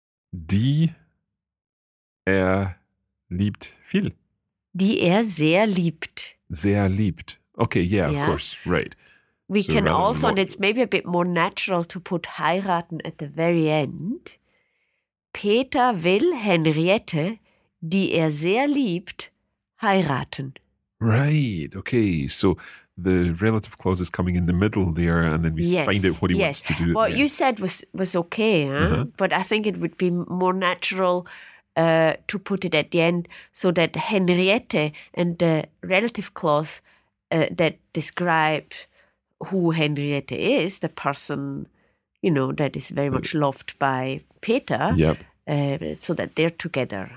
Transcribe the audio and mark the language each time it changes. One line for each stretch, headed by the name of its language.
German: Die er liebt viel. Die er sehr liebt. Sehr liebt.
English: Okay, yeah, of course, right. We can also, and it's maybe a bit more natural to put heiraten at the very end.
German: Peter will Henriette, die er sehr liebt, heiraten.
English: Right, okay, so the relative clause is coming in the middle there, and then we find out what he wants to do. What you said was okay, huh? But I think it would be more natural to put it at the end so that Henriette and the relative clause that describe who Henriette is, the person, you know, that is very much loved by Peter, so that they're together.